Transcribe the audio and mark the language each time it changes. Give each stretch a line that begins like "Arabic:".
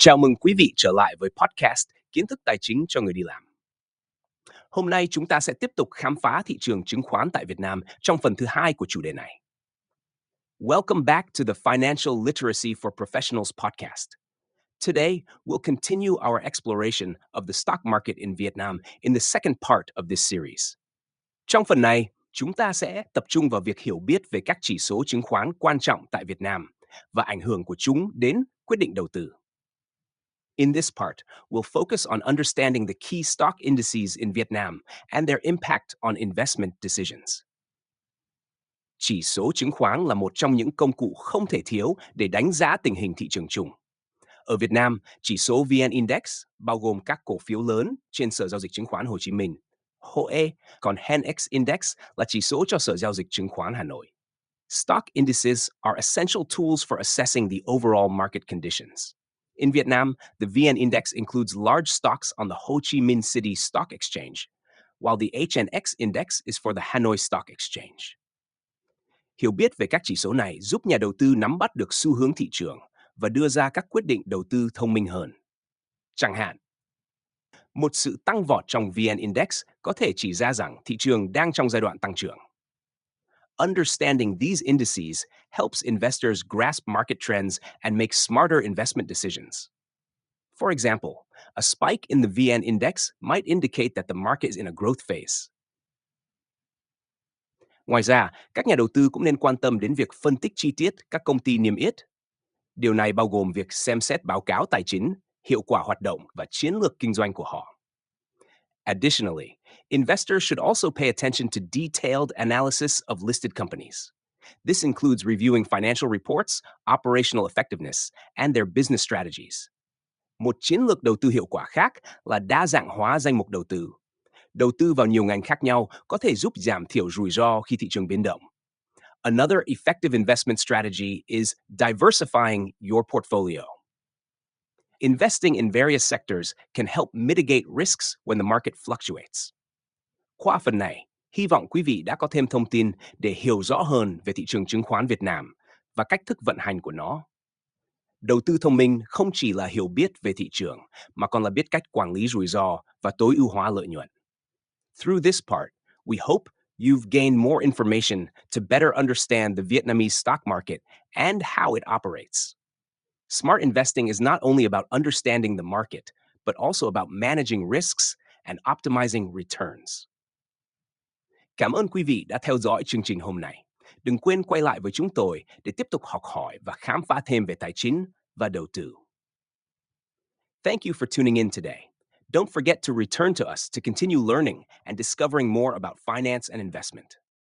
Vietnamese: Chào mừng quý vị trở lại với podcast Kiến thức tài chính cho người đi làm. Hôm nay chúng ta sẽ tiếp tục khám phá thị trường chứng khoán tại Việt Nam trong phần thứ hai của chủ đề này.
English: Welcome back to the Financial Literacy for Professionals podcast. Today, we'll continue our exploration of the stock market in Vietnam in the second part of this series.
Vietnamese: Trong phần này, chúng ta sẽ tập trung vào việc hiểu biết về các chỉ số chứng khoán quan trọng tại Việt Nam và ảnh hưởng của chúng đến quyết định đầu tư.
English: In this part, we'll focus on understanding the key stock indices in Vietnam and their impact on investment decisions.
Vietnamese: Chỉ số chứng khoán là một trong những công cụ không thể thiếu để đánh giá tình hình thị trường chung. Ở Việt Nam, chỉ số VN Index, bao gồm các cổ phiếu lớn trên Sở Giao dịch Chứng khoán Hồ Chí Minh, HOE, còn HNX Index là chỉ số cho Sở Giao dịch Chứng khoán Hà Nội.
English: Stock indices are essential tools for assessing the overall market conditions. In Vietnam, the VN Index includes large stocks on the Ho Chi Minh City Stock Exchange, while the HNX Index is for the Hanoi Stock Exchange.
Vietnamese: Hiểu biết về các chỉ số này giúp nhà đầu tư nắm bắt được xu hướng thị trường và đưa ra các quyết định đầu tư thông minh hơn. Chẳng hạn, một sự tăng vọt trong VN Index có thể chỉ ra rằng thị trường đang trong giai đoạn tăng trưởng.
English: Understanding these indices helps investors grasp market trends and make smarter investment decisions. For example, a spike in the VN index might indicate that the market is in a growth phase.
Vietnamese: Ngoài ra, các nhà đầu tư cũng nên quan tâm đến việc phân tích chi tiết các công ty niêm yết. Điều này bao gồm việc xem xét báo cáo tài chính, hiệu quả hoạt động và chiến lược kinh doanh của họ.
English: Additionally, investors should also pay attention to detailed analysis of listed companies. This includes reviewing financial reports, operational effectiveness, and their business strategies.
Vietnamese: Một chiến lược đầu tư hiệu quả khác là đa dạng hóa danh mục đầu tư. Đầu tư vào nhiều ngành khác nhau có thể giúp giảm thiểu rủi ro khi thị trường biến động.
English: Another effective investment strategy is diversifying your portfolio. Investing in various sectors can help mitigate risks when the market fluctuates.
Vietnamese: Qua phần này, hy vọng quý vị đã có thêm thông tin để hiểu rõ hơn về thị trường chứng khoán Việt Nam và cách thức vận hành của nó. Đầu tư thông minh không chỉ là hiểu biết về thị trường, mà còn là biết cách quản lý rủi ro và tối ưu hóa lợi nhuận.
English: Through this part, we hope you've gained more information to better understand the Vietnamese stock market and how it operates. Smart investing is not only about understanding the market, but also about managing risks and optimizing returns.
Vietnamese: Cảm ơn quý vị đã theo dõi chương trình hôm nay. Đừng quên quay lại với chúng tôi để tiếp tục học hỏi và khám phá thêm về tài chính và đầu tư.
English: Thank you for tuning in today. Don't forget to return to us to continue learning and discovering more about finance and investment.